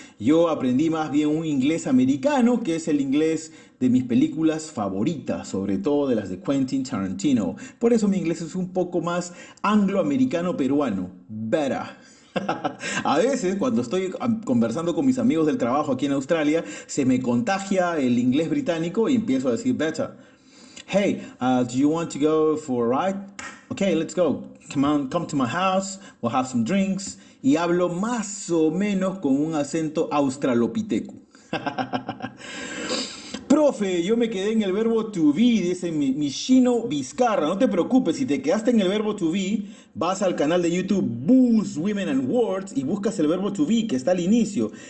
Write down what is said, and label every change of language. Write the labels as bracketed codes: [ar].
[es] Yo aprendí más bien un inglés americano, que es el inglés de mis películas favoritas, sobre todo de las de Quentin Tarantino. Por eso mi inglés es un poco más angloamericano peruano, better. A veces, cuando estoy conversando con mis amigos del trabajo aquí en Australia, se me contagia el inglés británico y empiezo a decir better. [en] Hey, do you want to go for a ride? Okay, let's go. Come on, come to my house. We'll have some drinks. [es] Y hablo más o menos con un acento australopiteco. Profe, yo me quedé en el verbo to be, dice mi chino Vizcarra. No te preocupes, si te quedaste en el verbo to be, vas al canal de YouTube Boost Women and Words y buscas el verbo to be, que está al inicio.